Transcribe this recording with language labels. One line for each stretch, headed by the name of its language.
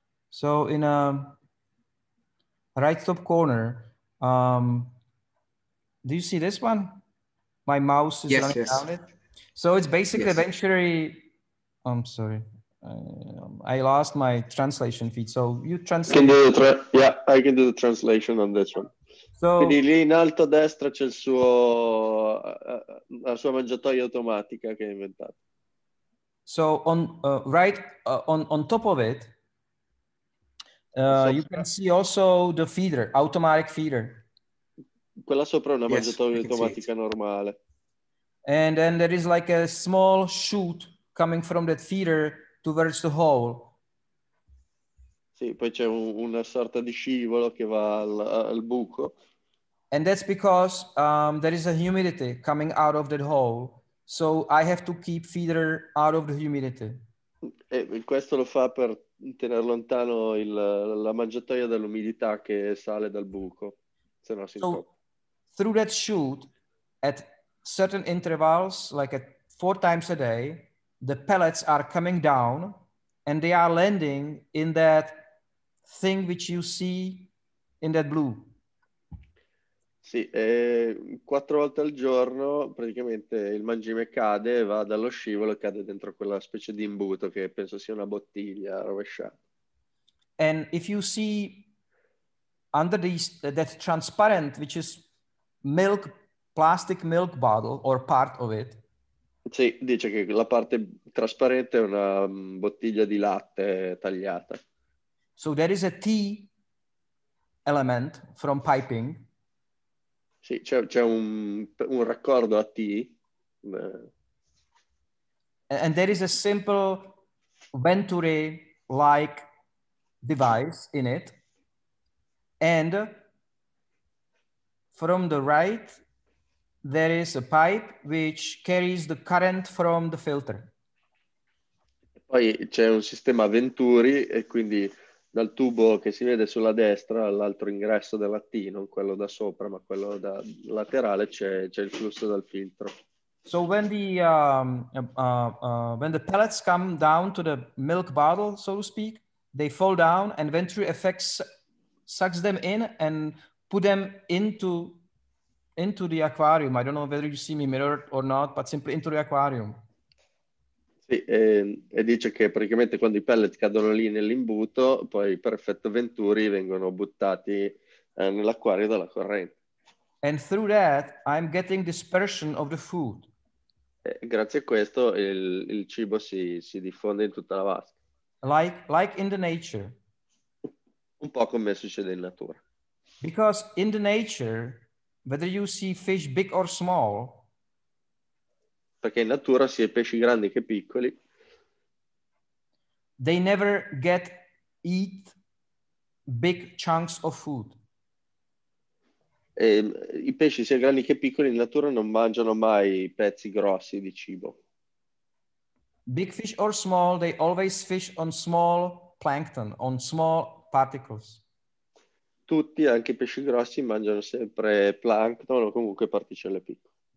English: So in a right top corner, do you see this one? My mouse is running around it. So it's basically eventually, I'm sorry. I lost my translation feed, so you translate. Can do the I can do the translation on this one. So,
Italian: quindi lì in alto a destra c'è il suo la sua mangiatoia automatica che ha inventato.
English: So on right on top of it, you can see also the feeder, automatic feeder.
Italian: Quella sopra è una mangiatoia automatica normale.
English: And then there is like a small chute coming from that feeder towards the hole.
Italian: Sì, poi c'è una sorta di scivolo che va al buco.
English: And that's because there is a humidity coming out of that hole, so I have to keep feeder out of the humidity.
Italian: E questo lo fa per tenere lontano la mangiatoia dall'umidità che sale dal buco, se no si
English: so, through that chute, at certain intervals, like at 4 times a day, the pellets are coming down and they are landing in that thing which you see in that blue.
Italian: Sì, 4 volte al giorno praticamente il mangime cade, va dallo scivolo e cade dentro quella specie di imbuto che penso sia una bottiglia rovesciata.
English: And if you see under these, that transparent, which is milk, plastic milk bottle or part of it,
Italian: sì, dice che la parte trasparente è una bottiglia di latte tagliata.
English: So there is a T element from piping.
Italian: Sì, c'è un raccordo a T.
English: And there is a simple venturi-like device in it. And from the right, there is a pipe which carries the current from the filter.
Italian: Poi c'è un sistema venturi e quindi dal tubo che si vede sulla destra all'altro ingresso della T, non quello da sopra ma quello da laterale, c'è il flusso dal filtro.
English: So when the when the pellets come down to the milk bottle, so to speak, they fall down and venturi effects sucks them in and put them into the aquarium. I don't know whether you see me mirrored or not, but simply into the aquarium.
Italian: Sì, e dice che praticamente quando i pellet cadono lì nell'imbuto, poi per effetto venturi vengono buttati nell'acquario dalla corrente.
English: And through that I'm getting dispersion of the food.
Italian: E grazie a questo il cibo si diffonde in tutta la vasca.
English: Like in the nature.
Italian: Un po' come succede in natura.
English: Because in the nature, whether you see fish big or small,
Italian: perché in natura sia pesci grandi che piccoli,
English: they never get eat big chunks of food.
Italian: E i pesci sia grandi che piccoli in natura non mangiano mai pezzi grossi di cibo.
English: Big fish or small, they always fish on small plankton, on small particles.
Italian: Tutti, anche i pesci grossi, mangiano sempre plankton o comunque particelle piccole.